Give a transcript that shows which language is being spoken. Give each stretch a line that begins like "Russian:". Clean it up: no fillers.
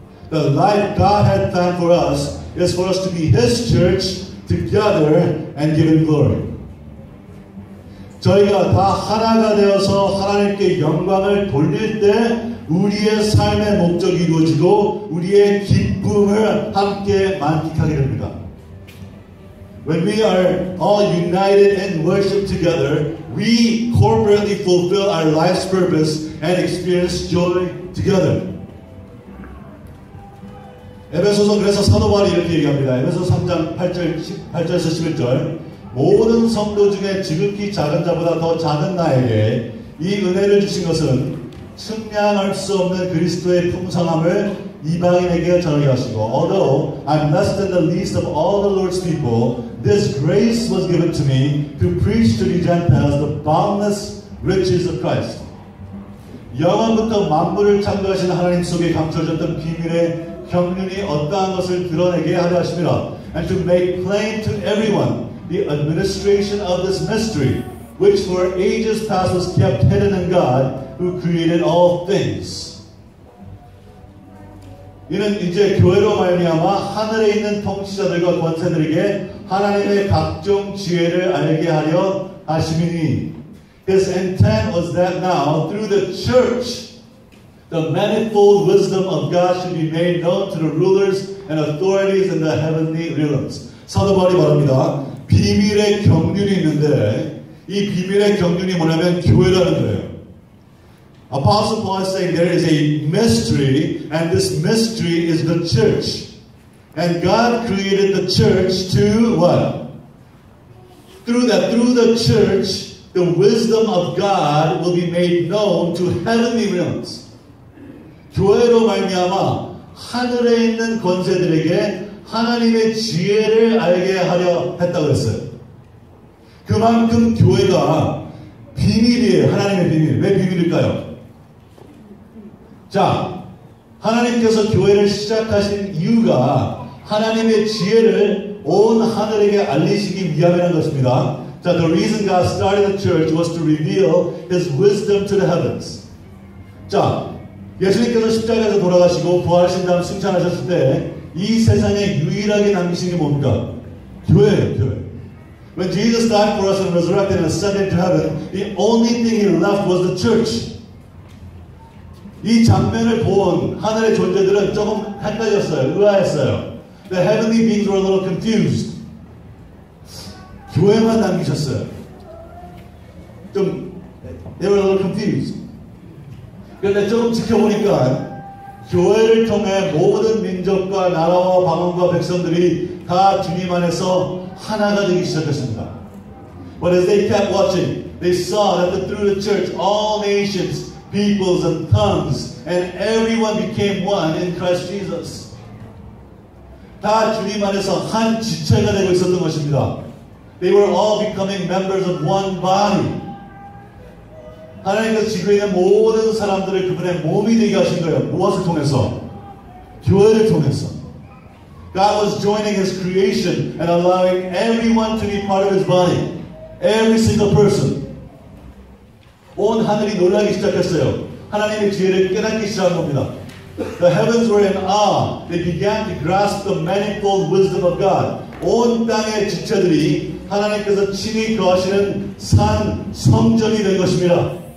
English: The life God had planned for us is for us to be His church together and give Him glory.
Korean: 저희가 다 하나가 되어서 하나님께 영광을 돌릴 때 우리의 삶의 목적이 이루어지고 우리의 기쁨을 함께 만끽하게 됩니다.
English: When we are all united in worship together, we corporately fulfill our life's purpose and experience joy together.
Korean: 에베소서 그래서 사도바울이 이렇게 얘기합니다. 에베소서 3장 8절에서 11절 모든 성도 중에 지극히 작은 자보다 더 작은 나에게 이 은혜를 주신 것은 측량할 수 없는 그리스도의 풍성함을 이방인에게 전하게 하시고
English: Although I'm less than the least of all the Lord's people, this grace was given to me to preach to the Gentiles the boundless riches of Christ.
Korean: 영원부터 만물을 창조하신 하나님 속에 감춰졌던 비밀의 경륜이 어떠한 것을 드러내게 하려 하십니다.
English: And to make plain to everyone the administration of this mystery, which for ages past was kept hidden in God, who created all things.
Korean: 이는 이제 교회로 말미암아 하늘에 있는 통치자들과 권세들에게 하나님의 각종 지혜를 알게 하려 하심이니.
English: His intent was that now, through the church, the manifold wisdom of God should be made known to the rulers and authorities in the heavenly realms.
Korean: 사도바울이 말합니다. 비밀의 경륜이 있는데 이 비밀의 경륜이 뭐냐면 교회라는 거예요.
English: Apostle Paul is saying there is a mystery and this mystery is the church. And God created the church to what? Through the church the wisdom of God will be made known to heavenly realms.
Korean: 교회로 말미암아 하늘에 있는 권세들에게 하나님의 지혜를 알게 하려 했다고 했어요. 그만큼 교회가 비밀이에요. 하나님의 비밀. 왜 비밀일까요? 자, 하나님께서 교회를 시작하신 이유가 하나님의 지혜를 온 하늘에게 알리시기 위함이라는 것입니다.
English: 자, the reason God started the church was to reveal his wisdom to the heavens.
Korean: 자, 예수님께서 십자가에서 돌아가시고 부활하신 다음 승천하셨을 때 이 세상에 유일하게 남기신 게 뭡니까? 교회예요, 교회.
English: When Jesus died for us and resurrected and ascended to heaven, the only thing he left was the church.
Korean: 이 장면을 본 하늘의 존재들은 조금 헷갈렸어요. 의아했어요.
English: The heavenly beings were a little confused.
Korean: 교회만 남기셨어요.
English: 좀, they were a little confused.
Korean: 그런데 조금 지켜보니까 교회를 통해 모든 민족과 나라와 방언과 백성들이 다 주님 안에서 하나가 되기 시작했습니다.
English: But as they kept watching, they saw that through the church, all nations, peoples, and tongues, and everyone became one in Christ Jesus.
Korean: 다 주님 안에서 한 지체가 되고 있었던 것입니다.
English: They were all becoming members of one body.
Korean: 하나님께서 지구에 있는 모든 사람들을 그분의 몸이 되게 하신 거예요. 무엇을 통해서? 교회를 통해서.
English: God was joining his creation and allowing everyone to be part of his body. Every single person.
Korean: 온 하늘이 놀라기 시작했어요. 하나님의 지혜를 깨닫기 시작한 겁니다.
English: The heavens were in awe. They began to grasp the manifold wisdom of God.
Korean: 온 땅의 지체들이 하나님께서 친히 거하시는 산, 성전이 된 것입니다.